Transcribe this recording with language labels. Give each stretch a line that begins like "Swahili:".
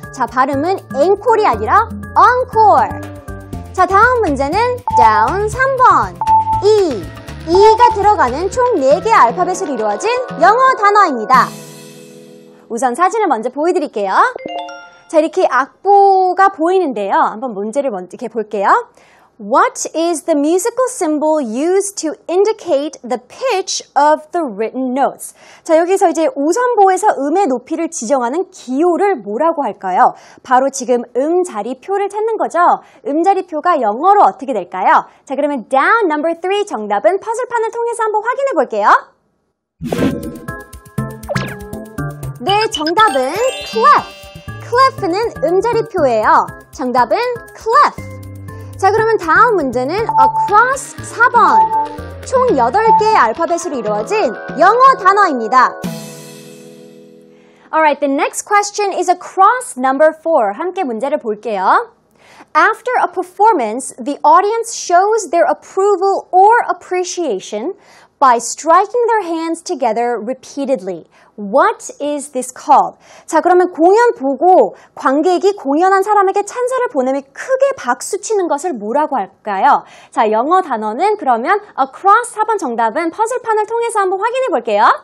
Korean: 자, 발음은 encore이 아니라 encore. 자, 다음 문제는 down 3번 E. E가 들어가는 총 4개의 알파벳으로 이루어진 영어 단어입니다. 우선 사진을 먼저 보여드릴게요. 자, 이렇게 악보가 보이는데요. 한번 문제를 먼저 이렇게 볼게요.
English: What is the musical symbol used to indicate the pitch of the written notes?
Korean: 자, 여기서 이제 우선보에서 음의 높이를 지정하는 기호를 뭐라고 할까요? 바로 지금 음자리표를 찾는 거죠. 음자리표가 영어로 어떻게 될까요? 자, 그러면 down number 3 정답은 퍼즐판을 통해서 한번 확인해 볼게요. 네, 정답은 clef. clef는 음자리표예요. 정답은 clef. 자, 그러면 다음 문제는 across 4번. 총 8개의 알파벳으로 이루어진 영어 단어입니다.
English: Alright, the next question is across number 4.
Korean: 함께 문제를 볼게요.
English: After a performance, the audience shows their approval or appreciation by striking their hands together repeatedly. What is this called?
Korean: 자, 그러면 공연 보고 관객이 공연한 사람에게 찬사를 보내며 크게 박수 치는 것을 뭐라고 할까요? 자, 영어 단어는 그러면 across 4번 정답은 퍼즐판을 통해서 한번 확인해 볼게요.